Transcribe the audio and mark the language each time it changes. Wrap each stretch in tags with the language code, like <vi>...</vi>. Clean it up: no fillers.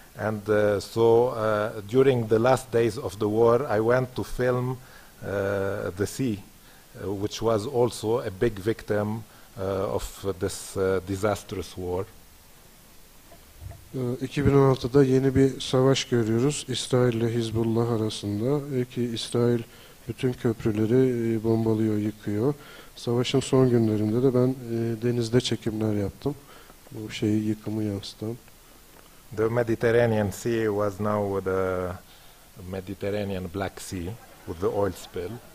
<en>And during the last days of the war, I went to film the sea, which was also a big victim of this disastrous war.</en> <tr>2016'da yeni bir savaş görüyoruz İsrail ile Hizbullah arasında. Ki İsrail bütün köprüleri bombalıyor, yıkıyor. Savaşın son günlerinde de ben denizde çekimler yaptım. Bu şeyi, yıkımı yansıtan.</tr> <en>The Mediterranean Sea was now the Mediterranean Black Sea with the oil spill.</en>